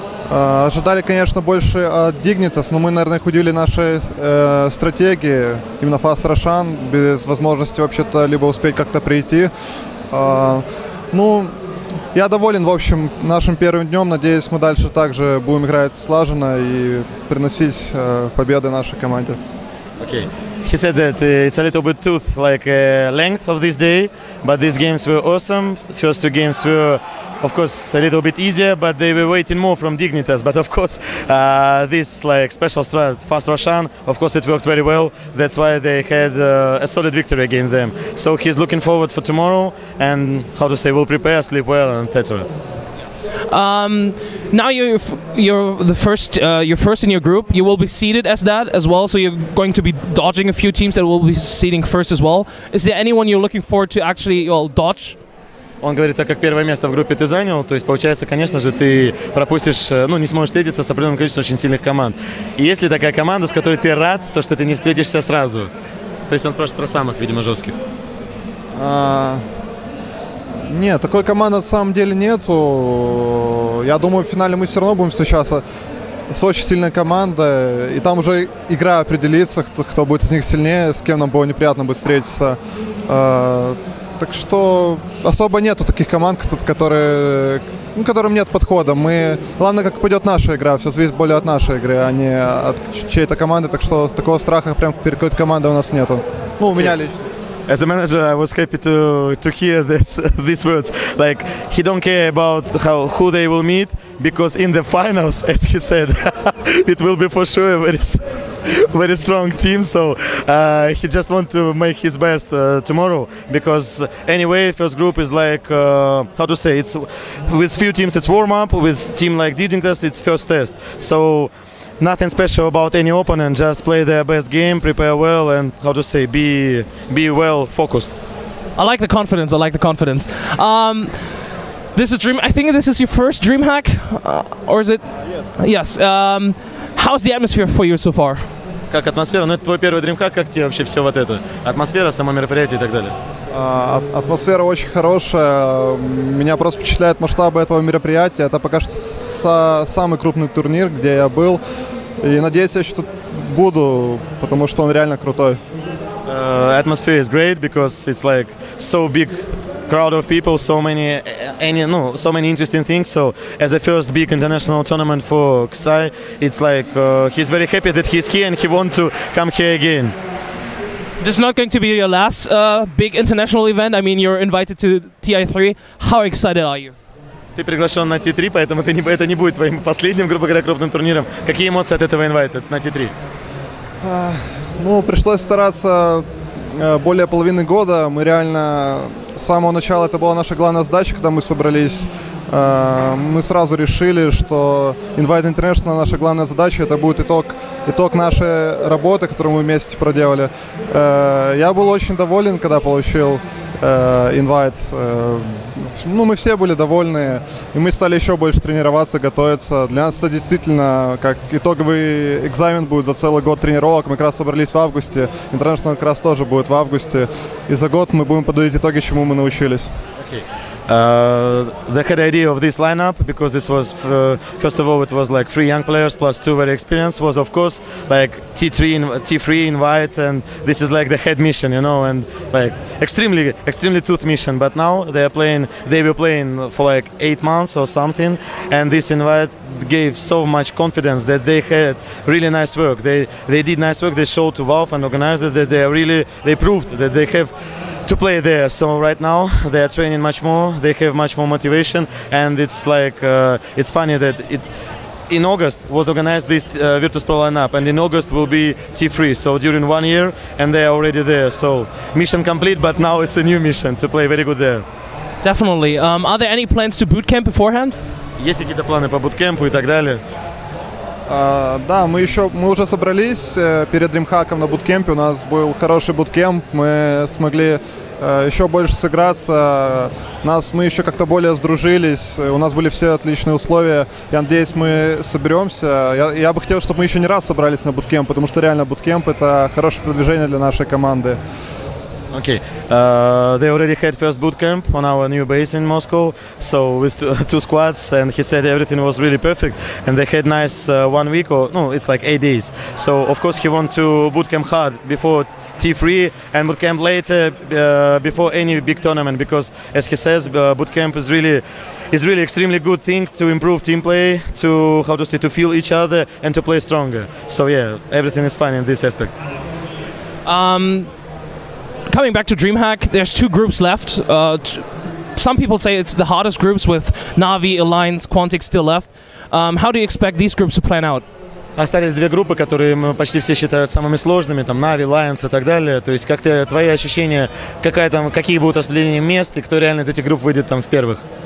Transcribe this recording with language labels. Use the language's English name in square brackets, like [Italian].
[Russian] Ожидали, конечно, больше от Dignitas, но мы, наверное, их удивили нашей стратегии, именно Fast Roshan, без возможности вообще-то либо успеть как-то прийти. Ну, я доволен, в общем, нашим первым днем. Надеюсь, мы дальше также будем играть слаженно и приносить победы нашей команде. [English] Okay. He said that it's a little bit tooth, like a length of this day, but these games were awesome. First two games were, of course, a little bit easier, but they were waiting more from Dignitas. But of course, this like special strat, Fast Roshan, of course, it worked very well. That's why they had a solid victory against them. So he's looking forward for tomorrow and how to say, we'll prepare, sleep well, and etc. Now you're first in your group. You will be seeded as that as well. So you're going to be dodging a few teams that will be seeding first as well. Is there anyone you're looking forward to actually dodge? [Russian] Он говорит, так как первое место в группе ты занял, то есть получается, конечно же, ты пропустишь, ну не сможешь встретиться с определенным количеством очень сильных команд. И есть ли такая команда, с которой ты рад, то что ты не встретишься сразу? То есть он спрашивает про самых, видимо, жестких. Нет, такой команды на самом деле нету. Я думаю, в финале мы все равно будем встречаться с очень сильной командой. И там уже игра определится, кто будет из них сильнее, с кем нам было неприятно будет встретиться. Так что особо нету таких команд, которым нет подхода. Главное, как пойдет наша игра. Все зависит более от нашей игры, а не от чьей-то команды. Так что такого страха прям перед какой-то командой у нас нету. Ну, у меня лично. [English] As a manager, I was happy to hear these words. Like, he don't care about who they will meet, because in the finals, as he said, it will be for sure a very, very strong team. So he just want to make his best tomorrow, because anyway, first group is like, how to say, it's with few teams it's warm-up, with team like Dignitas it's first test. So nothing special about any opponent, just play their best game, prepare well, and how to say, be well focused. I like the confidence, I like the confidence. This is Dream. I think this is your first Dreamhack, or is it? Yes. How's the atmosphere for you so far? [Russian] Как атмосфера? Ну, это твой первый Dreamhack, как тебе вообще все вот это? Атмосфера, само мероприятие и так далее? Атмосфера очень хорошая. Меня просто впечатляет масштабы этого мероприятия. Это пока что самый крупный турнир, где я был. И надеюсь, я еще тут буду, потому что он реально крутой. [English] Atmosphere is great, because it's like so big crowd of people, so many so many interesting things. So as a first big international tournament for KSI, it's like he's very happy that he's here and he wants to come here again. This is not going to be your last big international event. I mean, you're invited to Ti3. How excited are you? [Russian] Ты приглашен на Ti3, поэтому это не будет твоим последним, грубо говоря, крупным турниром. Какие эмоции от этого инвайта на Ti3? Ну, пришлось стараться более половины года. Мы реально с самого начала, это была наша главная задача, когда мы собрались. Мы сразу решили, что Invite International — наша главная задача, это будет итог нашей работы, которую мы вместе проделали. Я был очень доволен, когда получил инвайт. Ну, мы все были довольны, и мы стали еще больше тренироваться, готовиться. Для нас это действительно как итоговый экзамен будет за целый год тренировок. Мы как раз собрались в августе, International как раз тоже будет в августе. И за год мы будем подводить итоги, чему мы научились. [English] The head idea of this lineup, because this was first of all, it was like three young players plus two very experienced, was of course like T3 invite, and this is like the head mission, you know, and like extremely tough mission. But now they were playing for like 8 months or something, and this invite gave so much confidence that they had really nice work. They did nice work. They showed to Valve and organizers that they proved that they have to play there. So right now they are training much more, they have much more motivation, and it's like it's funny that in August was organized this Virtus.pro lineup, and in August will be T3, so during 1 year, and they are already there. So mission complete, but now it's a new mission to play very good there. Definitely. Are there any plans to boot camp beforehand? [Russian] Есть какие-то планы по буткемпу и так далее? Да, мы уже собрались перед Dreamhack'ом на буткемпе. У нас был хороший буткемп. Мы смогли еще больше сыграться. Мы еще как-то более сдружились. У нас были все отличные условия. Я надеюсь, мы соберемся. Я бы хотел, чтобы мы еще не раз собрались на буткемп, потому что реально буткемп — это хорошее продвижение для нашей команды. [English] Okay, they already had first bootcamp on our new base in Moscow, so with two squads, and he said everything was really perfect, and they had nice 1 week, or no, it's like 8 days. So of course he want to bootcamp hard before T3 and bootcamp later, before any big tournament, because as he says, bootcamp is really extremely good thing to improve team play, to feel each other and to play stronger. So yeah, everything is fine in this aspect. Coming back to Dreamhack, there's two groups left. Some people say it's the hardest groups, with Na'Vi, Alliance, Quantic still left. How do you expect these groups to plan out? [Russian] Остались две группы, которые почти все считают самыми сложными, там Na'Vi, Alliance и так далее. То есть как твои ощущения, какие будут распределения мест и кто реально из этих групп выйдет там с первых?